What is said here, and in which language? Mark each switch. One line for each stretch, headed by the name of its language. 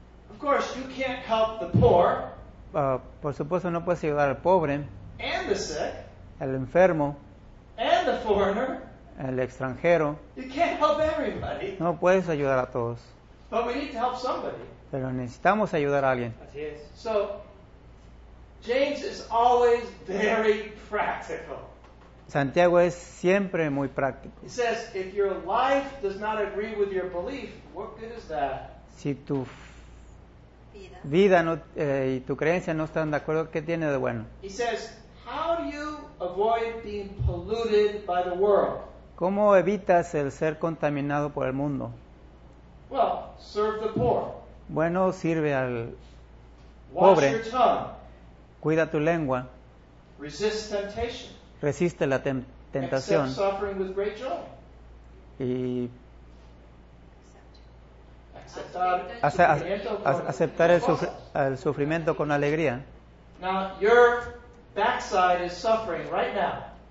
English: Of course, you can't help the poor.
Spanish: Por supuesto, no puedes ayudar al pobre.
English: And the sick.
Spanish: El enfermo.
English: And the foreigner.
Spanish: El extranjero.
English: You can't help everybody.
Spanish: No puedes ayudar a todos.
English: But we need to help somebody.
Spanish: Pero necesitamos ayudar a alguien. Así es.
English: So, James is always very practical.
Spanish: Santiago es siempre muy práctico.
English: He says, if your life does not agree with your belief, what good is that?
Spanish: Si tu vida no, y tu creencia no están de acuerdo, ¿qué tiene de bueno?
English: He says, how do you avoid being polluted by the world?
Spanish: ¿Cómo evitas el ser contaminado por el mundo?
English: Well, serve the poor.
Spanish: Bueno, sirve al pobre.
English: Wash your tongue.
Spanish: Cuida tu lengua.
English: Resist temptation.
Spanish: Resiste la tentación.
English: Accept suffering with great joy.
Spanish: Y aceptar el sufrimiento con alegría.
English: Now, your backside is suffering right now.